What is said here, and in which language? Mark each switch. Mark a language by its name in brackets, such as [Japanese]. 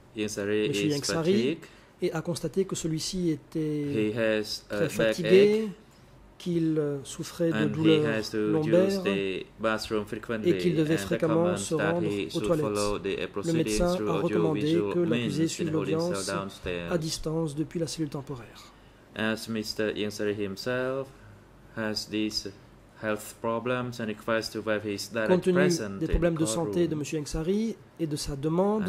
[French] Yang Sari et a constaté que celui-ci était très fatigué, qu'il souffrait de douleurs lombaires et qu'il devait fréquemment se rendre aux toilettes. Le médecin a recommandé que l'accusé suive l'audience à distance depuis la cellule temporaire. [English] As Mr. Yang Sari himself has these health problems and requests to have his direct presence in the courtroom. [French] Compte tenu des problèmes de santé de Monsieur Yang Sari et de sa demande,